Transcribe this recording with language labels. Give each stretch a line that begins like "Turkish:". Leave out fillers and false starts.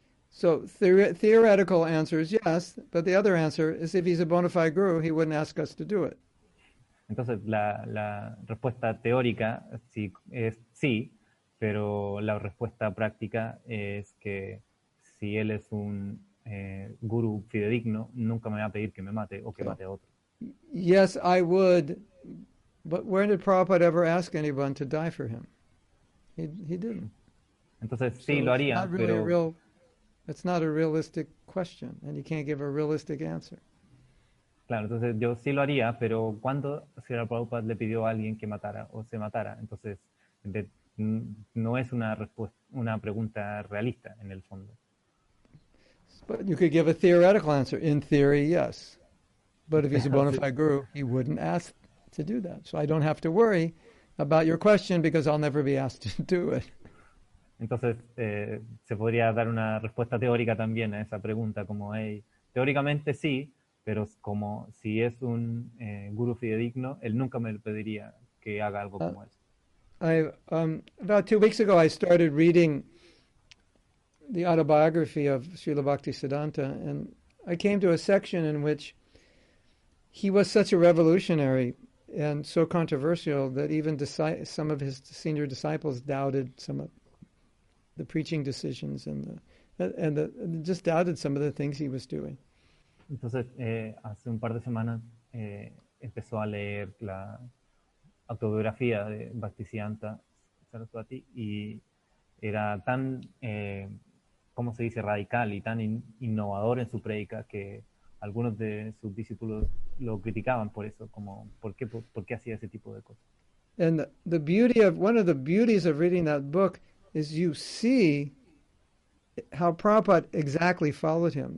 English: So theoretical answer is yes, but the other answer is if he's a bona fide guru, he wouldn't ask us to do it.
Spanish: Entonces la respuesta teórica sí es sí, pero la respuesta práctica es que si él es un guru fidedigno, nunca me va a pedir que me mate o que mate a otro.
English: Yes, I would, but where did Prabhupada ever ask anyone to die for him? He didn't.
Spanish: Entonces sí, so lo haría,
English: it's not really
Spanish: pero...
English: It's not a realistic question, and you can't give a realistic answer.
Spanish: Claro, entonces yo sí lo haría, pero ¿cuándo Srila Prabhupada le pidió a alguien que matara o se matara? Entonces, no es una pregunta realista en el fondo.
English: But you could give a theoretical answer. In theory, yes. But if he's a bona fide guru, he wouldn't ask to do that. So I don't have to worry about your question because I'll never be asked to do it.
Spanish: Entonces, se podría dar una respuesta teórica también a esa pregunta, como, hey, teóricamente sí, pero como si es un guru fidedigno, él nunca me pediría que haga algo como eso.
English: About 2 weeks ago, I started reading the autobiography of Srila Bhaktisiddhanta, and I came to a section in which he was such a revolutionary and so controversial that even some of his senior disciples doubted some of the preaching decisions and just doubted some of the things he was doing.
Spanish: Entonces, hace un par de semanas empezó a leer la autobiografía de Bhaktisiddhanta Saraswati y era tan, ¿cómo se dice?, radical y tan innovador en su prédica que algunos de sus discípulos lo criticaban por eso, como ¿por qué hacía ese tipo de cosas?
English: And the beauty of, one of the beauties of reading that book is you see how Prabhupada exactly followed him.